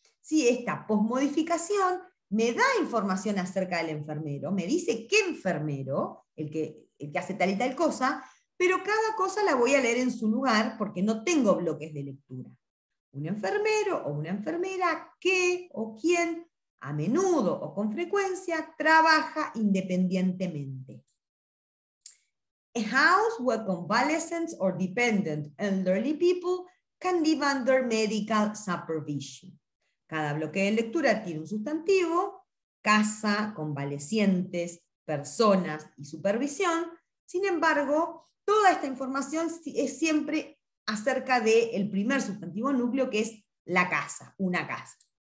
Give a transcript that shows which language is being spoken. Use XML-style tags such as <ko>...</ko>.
<es>Sí, esta posmodificación me da información acerca del enfermero, me dice qué enfermero, el que hace tal y tal cosa, pero cada cosa la voy a leer en su lugar porque no tengo bloques de lectura. Un enfermero o una enfermera que o quien a menudo o con frecuencia trabaja independientemente.</es> <en>A house where convalescents or dependent elderly people can live under medical supervision.</en> <es>Cada bloque de lectura tiene un sustantivo, casa, convalecientes, personas y supervisión. Sin embargo, toda esta información es siempre acerca del primer sustantivo núcleo, que es la casa, una casa.</es>